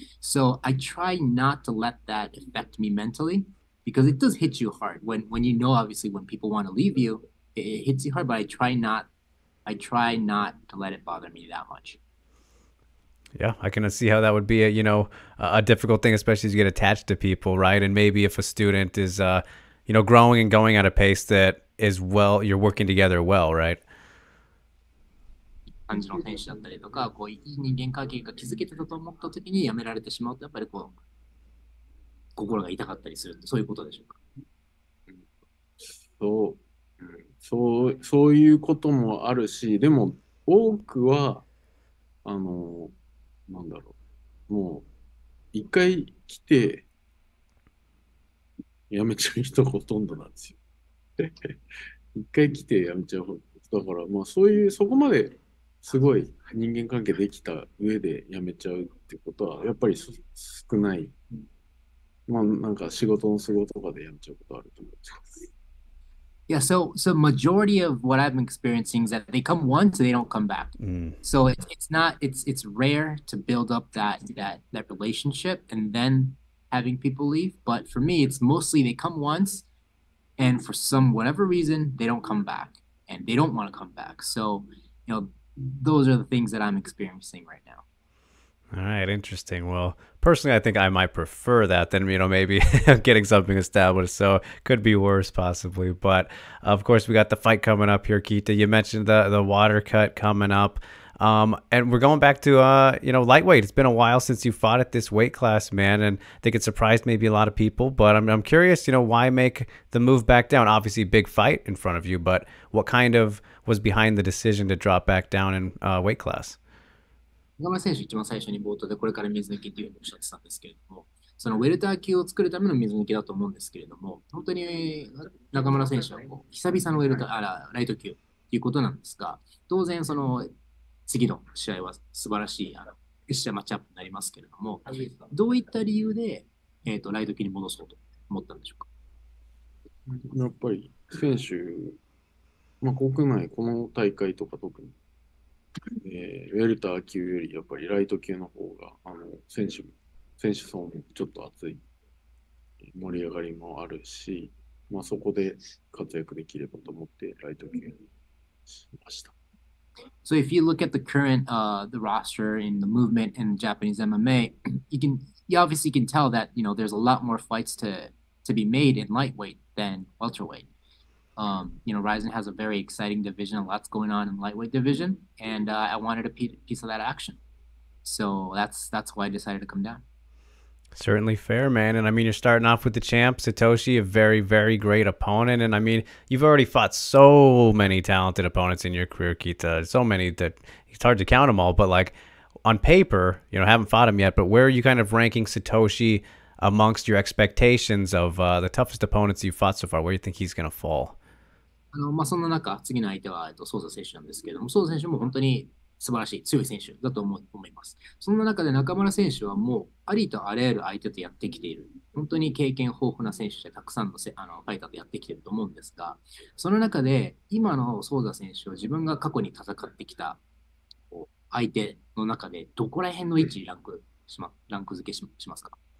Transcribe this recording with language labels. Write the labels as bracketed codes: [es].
[en] So I try not to let that affect me mentally, because it does hit you hard when you know, obviously, when people want to leave you, it hits you hard, but I try not to let it bother me that much. Yeah, I can see how that would be a difficult thing, especially as you get attached to people, right? And maybe if a student is, you know, growing and going at a pace that is well, you're working together well, right? [ja] 感じの選手だったりとか、こういい人間関係が築けてたと思った時に辞められてしまうと、やっぱりこう心が痛かったりする、そういうことでしょうか？そういうこともあるし、でも多くは、なんだろう、もう一回来て辞めちゃう人ほとんどなんですよ。一回来て辞めちゃう人だから、まあそういうそこまですごい人間関係できた上で辞めちゃうってことはやっぱり少ない。まあなんか仕事の都合とかで辞めちゃうことあると思います。 [en] Yeah, so majority of what I've been experiencing is that they come once and they don't come back. Mm. So it's rare to build up that relationship and then having people leave. But for me, it's mostly they come once and for some whatever reason, they don't come back and they don't want to come back. So, you know, those are the things that I'm experiencing right now. All right. Interesting. Well, personally, I think I might prefer that than, you know, maybe getting something established. So could be worse possibly. But of course, we got the fight coming up here, Keita. You mentioned the water cut coming up. And we're going back to, you know, lightweight. It's been a while since you fought at this weight class, man. And I think it surprised maybe a lot of people. But I'm curious, you know, why make the move back down? Obviously, big fight in front of you. But what kind of was behind the decision to drop back down in weight class? [ja] 岡村選手一番最初に冒頭でこれから水抜きというのをおっしゃってたんですけれども、そのウェルター級を作るための水抜きだと思うんですけれども、本当に中村選手はこう久々のウェルター、あら、ライト級ということなんですが、当然その次の試合は素晴らしいあの決勝マッチアップになりますけれども、どういった理由で、ライト級に戻そうと思ったんでしょうか。やっぱり選手、まあ、国内この大会とか特にウェルター級よりやっぱりライト級の方があの選手層もちょっと熱い盛り上がりもあるし、まあ、そこで活躍できればと思ってライト級にしました。 [en] So if you look at the current the roster in the movement in Japanese MMA, you obviously can tell that, you know, there's a lot more fights to be made in lightweight than welterweight. You know, Ryzen has a very exciting division, a lot's going on in lightweight division, and I wanted a piece of that action. So that's why I decided to come down. Certainly fair, man. And I mean, you're starting off with the champ, Satoshi, a very, very great opponent. And I mean, you've already fought so many talented opponents in your career, Keita, so many that it's hard to count them all. But like on paper, you know, haven't fought him yet, but where are you kind of ranking Satoshi amongst your expectations of the toughest opponents you've fought so far? Where do you think he's going to fall? [ja] あのまあ、そんな中、次の相手は、ソウザ選手なんですけれども、ソウザ選手も本当に素晴らしい、強い選手だと思います。そんな中で中村選手はもう、ありとあらゆる相手とやってきている。本当に経験豊富な選手で、たくさんの、あのファイターとやってきていると思うんですが、その中で、今のソウザ選手は自分が過去に戦ってきた相手の中で、どこら辺の位置にランク付けしますか?